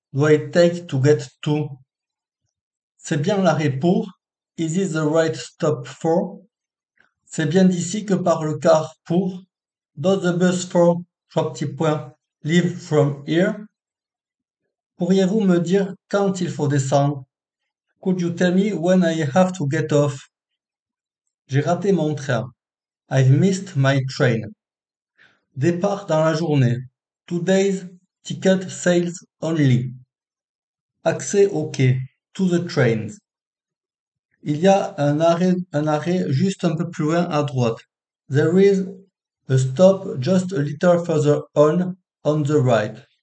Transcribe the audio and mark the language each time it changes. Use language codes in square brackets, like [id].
[en] Do I take to get to? [fr] C'est bien l'arrêt pour? [en] Is this the right stop for? [fr] C'est bien d'ici que part le car pour? [en] Does the bus for? [fr] Trois petits points. [en] Leave from here. [fr] Pourriez-vous me dire quand il faut descendre? [en] Could you tell me when I have to get off? [fr] J'ai raté mon train. [en] I've missed my train. [fr] Départ dans la journée. [en] Today's ticket sales only. [fr] Accès au quai, [en] to the trains. [fr] Il y a un arrêt juste un peu plus loin à droite. [en] There is a stop just a little further on the right.